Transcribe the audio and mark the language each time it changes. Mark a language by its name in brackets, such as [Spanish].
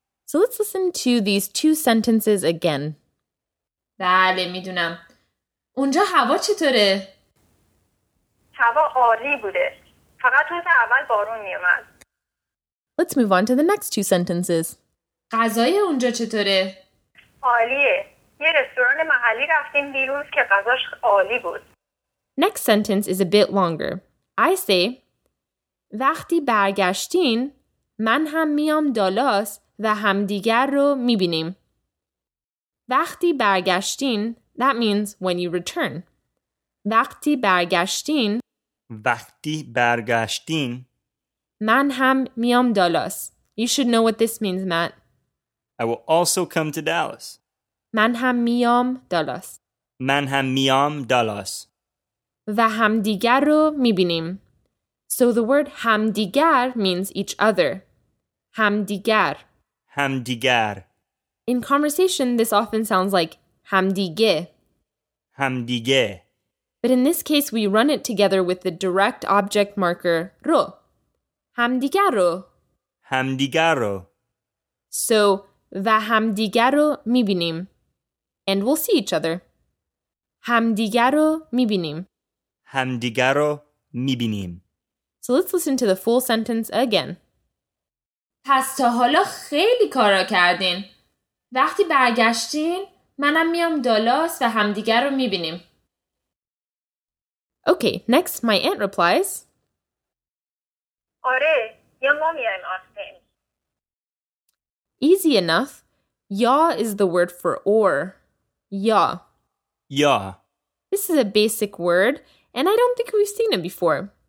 [English] So let's listen to these two sentences again. [Persian] بله میدونم. اونجا هوا چطوره؟ هوا عالی بوده. فقط روز اول بارون میومد. [English] Let's move on to the next two sentences. [Persian] غذای اونجا چطوره؟ عالیه. یه رستوران محلی رفتیم دیروز که غذاش عالی بود. [English] Next sentence is a bit longer. I say, [Persian] وقتی برگشتین من هم میام دالاس و همدیگر رو میبینیم. وقتی برگشتین, [English] that means when you return. [Persian] وقتی برگشتین, وقتی برگشتین, من هم میام دالاس. [English] You should know what this means, Matt. I will also come to Dallas. [Persian] من هم میام دالاس. من هم میام دالاس. و همدیگر رو میبینیم. [English] So the word همدیگر means each other. [Persian] همدیگر. همدیگر. [English] In conversation, this often sounds like همدیگه. [Persian] همدیگه. [English] But in this case, we run it together with the direct object marker رو. [Persian] همدیگر رو. همدیگر رو. So, و همدیگر رو میبینیم. [English] And we'll see each other. [Persian] همدیگر رو میبینیم. همدیگر رو میبینیم. [English] So let's listen to the full sentence again. [Persian] پس تا حالا خیلی کارا کردین. وقتی برگشتین، منم میام دالاس و همدیگر رو میبینیم. [English] Okay, next my aunt replies. [Persian] آره، یا ما میایم آستین. [English] Easy enough. یا is the word for or. [Persian] یا. یا. [English] This is a basic word, and I don't think we've seen it before.